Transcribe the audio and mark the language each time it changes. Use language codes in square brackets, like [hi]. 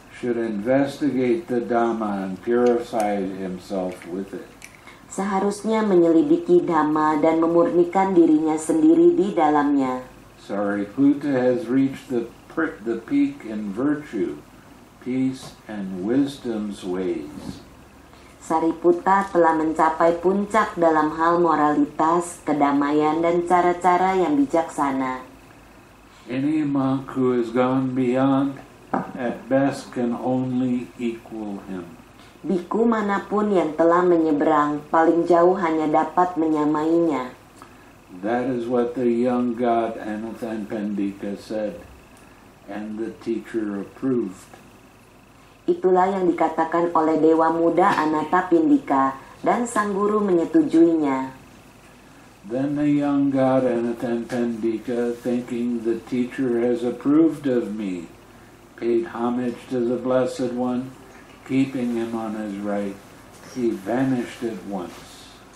[en] should investigate the Dhamma and purify himself with it. [id] seharusnya menyelidiki dhamma dan memurnikan dirinya sendiri di dalamnya. [en] Sariputta has reached the peak in virtue, peace and wisdom's ways. [id] Sariputta telah mencapai puncak dalam hal moralitas, kedamaian dan cara-cara yang bijaksana. [en] Any monk who has gone beyond at best can only equal him. [id] Bhikkhu manapun yang telah menyeberang paling jauh hanya dapat menyamainya. [en] That is what the young god Anuttanapendika said, and the teacher approved. [id] Itulah yang dikatakan oleh dewa muda Anuttanapendika, dan sang guru menyetujuinya. [en] Then the young god Anuttanapendika, thinking the teacher has approved of me, paid homage to the Blessed One, keeping him on his right, he vanished at once.